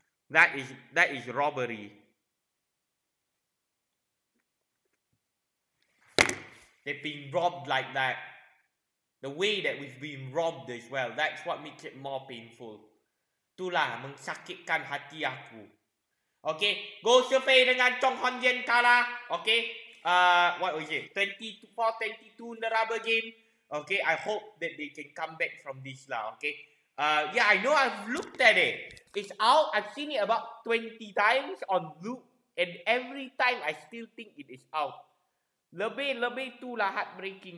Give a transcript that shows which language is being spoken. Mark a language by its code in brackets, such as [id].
[en] That is robbery. They've been robbed like that. The way that we've been robbed as well. That's what makes it more painful. [ms] Itulah mengsakitkan hati aku. Okay. GOH/YORDPHAI dengan Choong Hon Yen kalah. [en] Okay. What was it? 24-22 in the rubber game. Okay. I hope that they can come back from this lah. Okay. Yeah, I know I've looked at it. It's out. I've seen it about 20 times on loop. And every time I still think it is out. [ms] Lebih-lebih tu lah [en] heartbreaking.